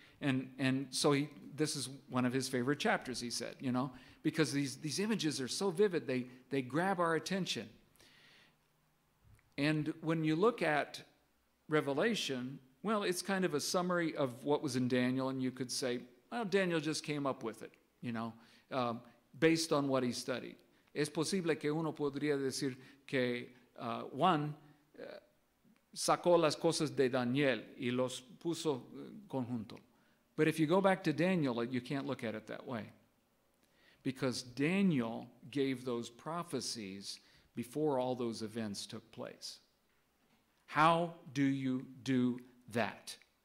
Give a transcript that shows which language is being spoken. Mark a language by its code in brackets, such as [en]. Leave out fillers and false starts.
[en] And so this is one of his favorite chapters, he said, you know, because these images are so vivid, they grab our attention. And when you look at Revelation, well, it's kind of a summary of what was in Daniel, and you could say, well, Daniel just came up with it, you know, based on what he studied. [es] Es posible que uno podría decir que Juan sacó las cosas de Daniel y los puso conjunto. [en] But if you go back to Daniel, you can't look at it that way, because Daniel gave those prophecies before all those events took place. How do you do that?